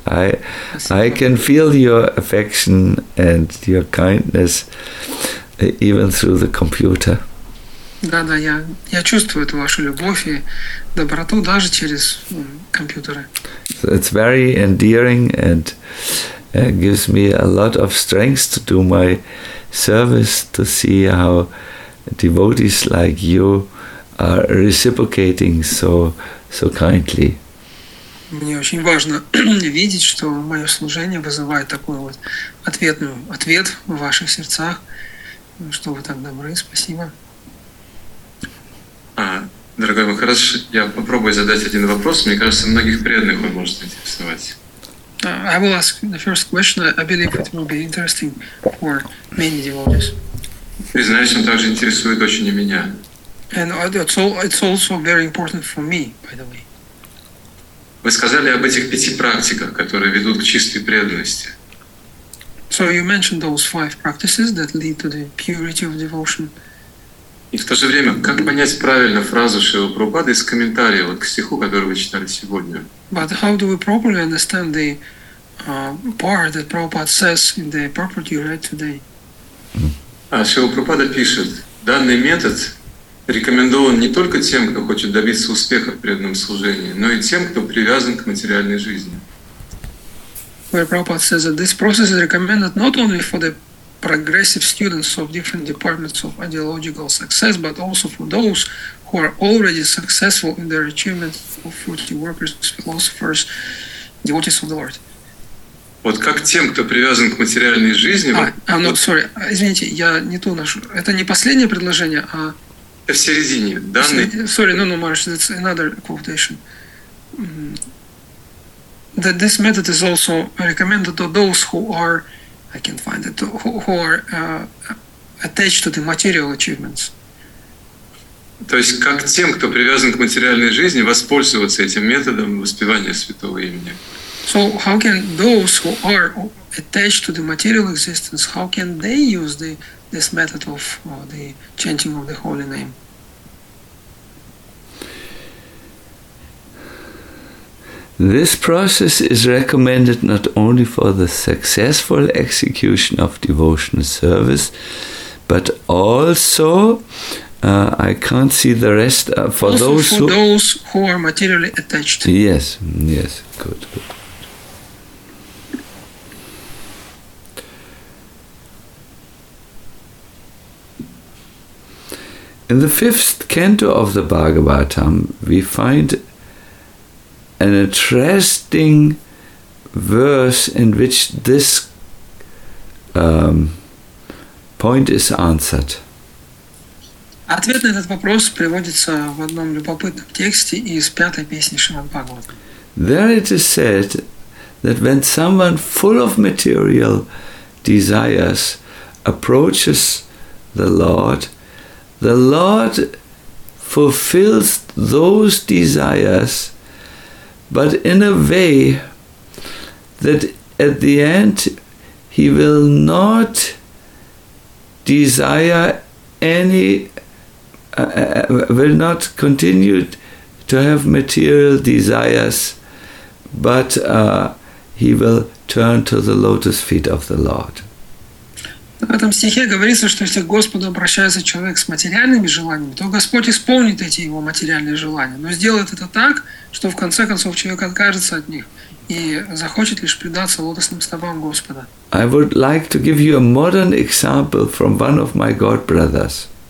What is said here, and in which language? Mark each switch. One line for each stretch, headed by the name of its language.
English: I can feel your affection and your kindness even through the computer.
Russian: Да, я чувствую эту вашу любовь и доброту даже через компьютеры.
English: So it's very endearing and gives me a lot of strength to do my service, to see how devotees like you are reciprocating so kindly.
Russian: Мне очень важно видеть, что мое служение вызывает такой вот ответ в ваших сердцах, что вы так добры, спасибо. Дорогой Махарадж, я попробую задать один вопрос. Мне кажется, многих преданных он может интересовать.
English: I will ask the first question. I believe it will be interesting for many devotees.
Russian: Признаюсь, он также интересует очень и меня.
English: And it's also very important for me, by the way.
Russian: Вы сказали об этих пяти практиках, которые ведут к чистой преданности.
English: So you mentioned those five practices that lead to the purity of devotion.
Russian: И в то же время, как понять правильно фразу Шрилы Прабхупады из комментария вот, к стиху, который вы читали сегодня?
English: But how do we properly understand the part that Prabhupada says in the purport you read today?
Russian: Шрила Прабхупада пишет, данный метод рекомендован не только тем, кто хочет добиться успеха в преданном служении, но и тем, кто привязан к материальной жизни.
English: Where Prabhupada says that this process is recommended not only for the progressive students of different departments of ideological success, but also for those who are already successful in their achievements of 40 workers, philosophers, devotees of the Lord.
Russian: Вот как тем, кто привязан к материальной жизни... Извините, я не ту нашу... Это не последнее предложение, а... В середине, данный...
English: No, Marsh, that's another quotation. That this method is also recommended to those who are attached to the material achievements.
Russian: То есть как тем, кто привязан к материальной жизни, воспользоваться этим методом воспевания святого имени.
English: So how can those who are attached to the material existence, how can they use this method of the chanting of the holy name? This process is recommended not only for the successful execution of devotional service, but also, I can't see the rest, for also those for who... those who are materially attached. Yes, good. In the fifth canto of the Bhagavatam, we find an interesting verse in which this point is answered.
Russian: Ответ на этот вопрос приводится в одном любопытном тексте из пятой песни Шримад Бхагаватам.
English: There it is said that when someone full of material desires approaches the Lord fulfills those desires, but in a way that at the end he will not desire any, will not continue to have material desires, but he will turn to the lotus feet of the Lord.
Russian: В этом стихе говорится, что если к Господу обращается человек с материальными желаниями, то Господь исполнит эти его материальные желания, но сделает это так, что в конце концов человек откажется от них и захочет лишь предаться лотосным стопам Господа.
English: I would like to give you a modern example from one of my god brothers.